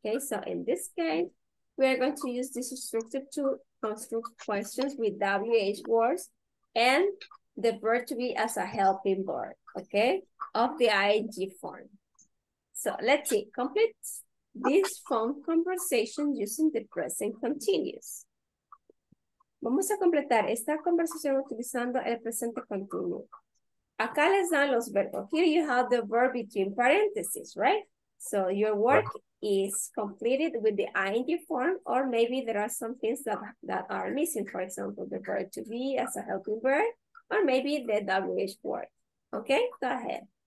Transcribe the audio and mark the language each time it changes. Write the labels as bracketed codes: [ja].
[en] Okay, so in this case, we are going to use this structure to construct questions with WH words and the verb to be as a helping verb, okay, of the ING form. So let's see, complete this phone conversation using the present continuous. [es] Vamos a completar esta conversación utilizando el presente continuo. Acá les dan los verbos. [en] Here you have the verb between parentheses, right? So your work is completed with the ing form, or maybe there are some things that are missing. For example, the verb to be as a helping verb, or maybe the WH word. Okay, go ahead.